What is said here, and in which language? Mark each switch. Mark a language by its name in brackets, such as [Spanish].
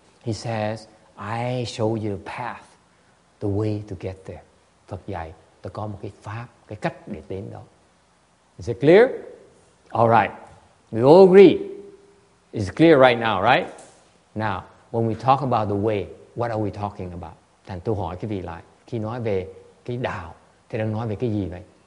[English] He says, I show you the path, the way to get there. [Vietnamese] Phật dạy, tôi có một cái pháp, cái cách để đến đó. [English] Is it clear? All right. We all agree. It's clear right now, right? Now, when we talk about the way, what are we talking about? [Vietnamese] Thành tôi hỏi quý vị lại, khi nói về cái đạo, thì đang nói về cái gì vậy?